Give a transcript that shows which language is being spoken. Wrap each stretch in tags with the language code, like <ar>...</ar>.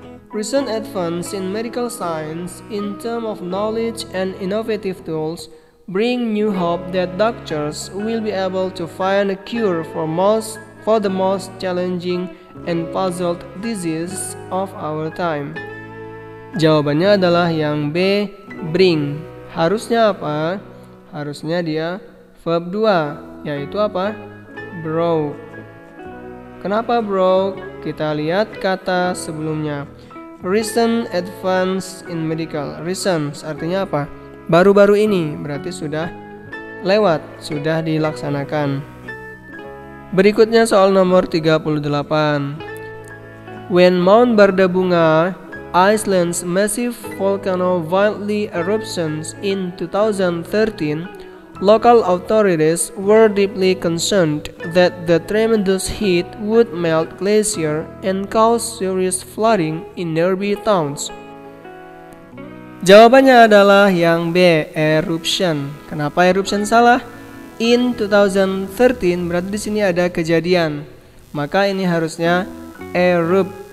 <en>Recent advances in medical science in terms of knowledge and innovative tools bring new hope that doctors will be able to find a cure for the most challenging and puzzled diseases of our time.</en> <id>Jawabannya adalah yang B, bring. Harusnya apa? Harusnya dia verb 2, yaitu apa? Broke. Kenapa broke? Kita lihat kata sebelumnya.</id> <en>Recent advance in medical.</en> <id>Recent artinya apa? Baru-baru ini, berarti sudah lewat, sudah dilaksanakan. Berikutnya soal nomor 38.</id> <en>When Mount Bardabunga, Iceland's massive volcano violently eruptions in 2013, local authorities were deeply concerned that the tremendous heat would melt glacier and cause serious flooding in nearby towns.</en> <id>Jawabannya adalah yang B, eruption. Kenapa eruption salah? In 2013 berarti di sini ada kejadian. Maka ini harusnya erupt.</id>